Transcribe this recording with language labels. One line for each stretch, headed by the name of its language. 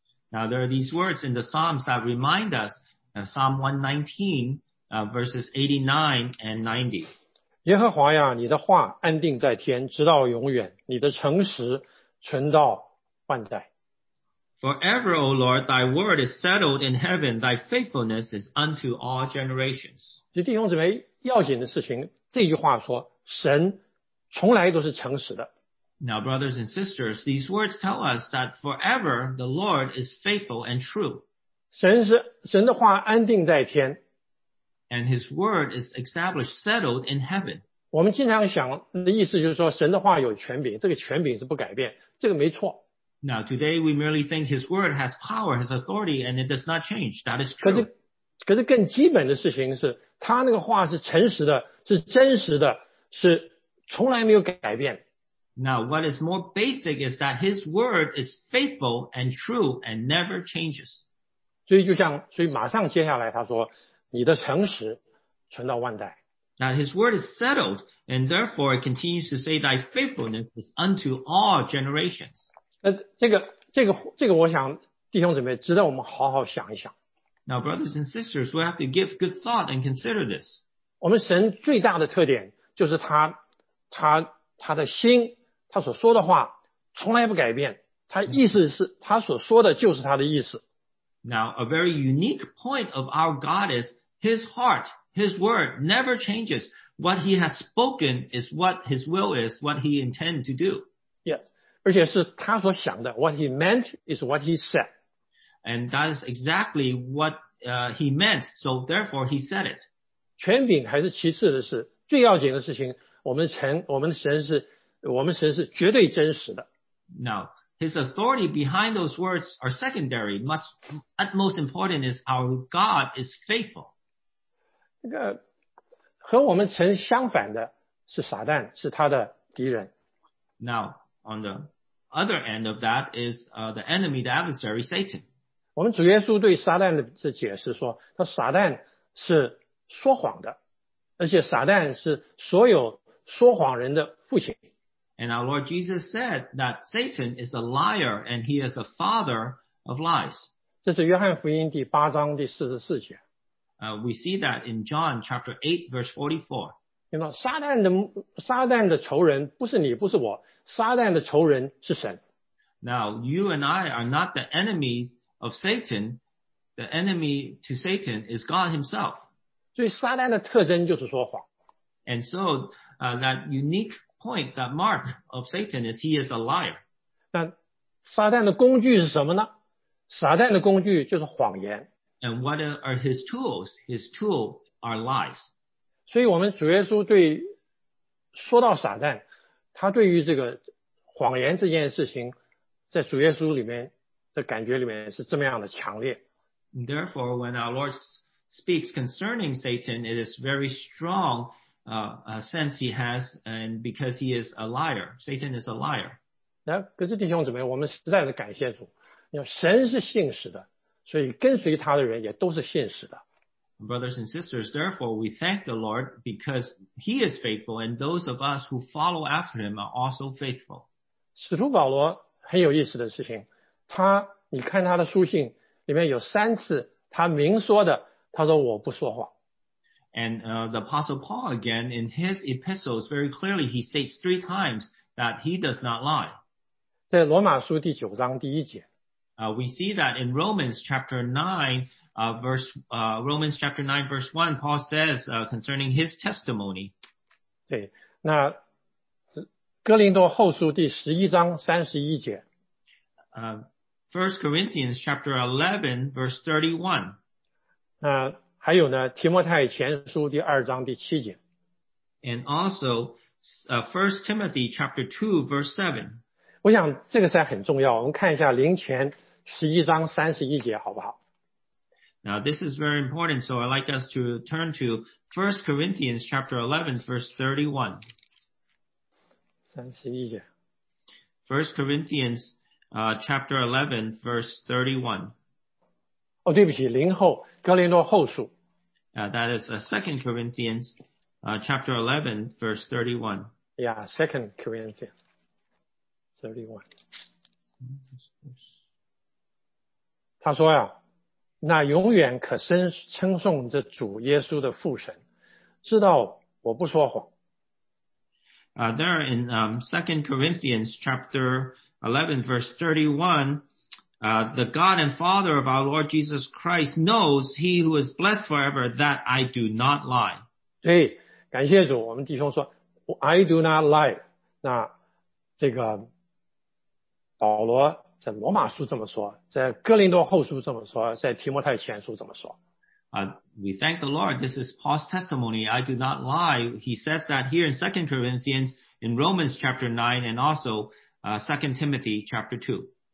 English: Now there are these words in the Psalms that remind us of Psalm 119, verses 89 and 90.
Chinese: 耶和华呀，你的话安定在天，直到永远，你的诚实存到万代。
English: Forever, O Lord, thy word is settled in heaven, thy faithfulness is unto all generations.
Chinese: 这弟兄姊妹，要紧的事情，这句话说，神从来都是诚实的。
English: Now, brothers and sisters, these words tell us that forever the Lord is faithful and true.
Chinese: 神的话安定在天。
English: And his word is established, settled in heaven.
Chinese: 我们经常想的意思就是说神的话有权柄，这个权柄是不改变，这个没错。
English: Now, today we merely think his word has power, has authority, and it does not change. That is true.
Chinese: 可是更基本的事情是他那个话是诚实的，是真实的，是从来没有改变。
English: Now, what is more basic is that his word is faithful and true and never changes.
Chinese: 所以就像，所以马上接下来他说，你的诚实存到万代。
English: Now, his word is settled, and therefore it continues to say thy faithfulness is unto all generations.
Chinese: 这个我想弟兄姊妹值得我们好好想一想。
English: Now, brothers and sisters, we have to give good thought and consider this.
Chinese: 我们神最大的特点就是他的心，他所说的话从来不改变，他意思是他所说的就是他的意思。
English: Now, a very unique point of our God is his heart, his word never changes. What he has spoken is what his will is, what he intends to do. Yes,
Chinese: 而且是他所想的
English: what he meant is what he said. And that is exactly what he meant, so therefore he said it.
Chinese: 权柄还是其次的事，最要紧的事情我们神是绝对真实的。
English: Now, his authority behind those words are secondary. Utmost important is our God is faithful.
Chinese: 这个和我们神相反的是撒旦，是他的敌人。
English: Now, on the other end of that is the enemy, the adversary, Satan.
Chinese: 我们主耶稣对撒旦的解释说，他撒旦是说谎的，而且撒旦是所有说谎人的父亲。
English: And our Lord Jesus said that Satan is a liar and he is a father of lies.
Chinese: 这是约翰福音第八章第四十四节。
English: We see that in John chapter 8 verse 44. You know,
Chinese: 撒旦的仇人不是你，不是我，撒旦的仇人是神。
English: Now, you and I are not the enemies of Satan. The enemy to Satan is God himself.
Chinese: 所以撒旦的特征就是说谎。
English: And so, that unique point, that mark of Satan is he is a liar.
Chinese: 那撒旦的工具是什么呢？撒旦的工具就是谎言。
English: And what are his tools? His tool are lies.
Chinese: 所以我们主耶稣对说到撒旦，他对于这个谎言这件事情，在主耶稣里面的感觉里面是这么样的强烈。
English: Therefore, when our Lord speaks concerning Satan, it is very strong. A sense he has, and because he is a liar, Satan is a liar.
Chinese: 那可是弟兄姊妹，我们实在是感谢主，因为神是信实的，所以跟随他的人也都是信实的。
English: Brothers and sisters, therefore we thank the Lord because he is faithful, and those of us who follow after him are also faithful.
Chinese: 使徒保罗很有意思的事情，他你看他的书信里面有三次他明说的，他说我不说谎。
English: And the Apostle Paul, again, in his epistles, very clearly, he states three times that he does not lie.
Chinese: 在罗马书第九章第一节。
English: We see that in Romans chapter 9, Romans chapter 9, verse 1, Paul says concerning his testimony.
Chinese: 对，那哥林多后书第十一章三十一节。
English: First Corinthians chapter 11, verse 31.
Chinese: 还有呢，提摩太前书第二章第七节。
English: And also, First Timothy chapter 2 verse 7.
Chinese: 我想这个是很重要，我们看一下林前十一章三十一节好不好。
English: Now this is very important, so I'd like us to turn to First Corinthians chapter 11 verse 31.
Chinese: 三十一节。
English: First Corinthians chapter 11 verse 31.
Chinese: 哦，对不起，林后哥林多后书。
English: That is a Second Corinthians, chapter 11, verse 31. Yeah, Second Corinthians, 31.
Chinese: 他说呀，那永远可称颂这主耶稣的父神，知道我不说谎。
English: There in Second Corinthians, chapter 11, verse 31. The God and Father of our Lord Jesus Christ knows he who is blessed forever that I do not lie.
Chinese: 对，感谢主，我们弟兄说
English: I do not lie.
Chinese: 那这个保罗在罗马书这么说，在哥林多后书这么说，在提摩太前书这么说。
English: We thank the Lord. This is Paul's testimony. I do not lie. He says that here in 2 Corinthians, in Romans chapter 9, and also 2 Timothy chapter 2.